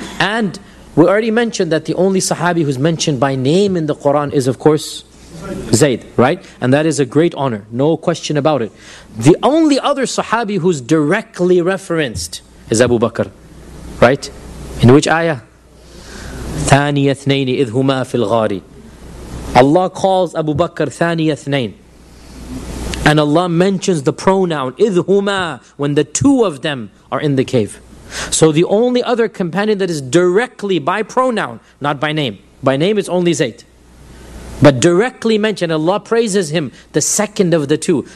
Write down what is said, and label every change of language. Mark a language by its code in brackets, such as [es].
[en] And we already mentioned that the only Sahabi who's mentioned by name in the Quran is, of course, Zayd, right? And that is a great honor, no question about it. The only other Sahabi who's directly referenced is Abu Bakr, right? In which ayah? [ar] ثانيثنين إذ هما في الغاري. [en] Allah calls Abu Bakr ثانيثنين. And Allah mentions the pronoun idhuma when the two of them are in the cave. So the only other companion that is directly by pronoun, not by name. By name it's only Zayd. But directly mentioned, Allah praises him, the second of the two.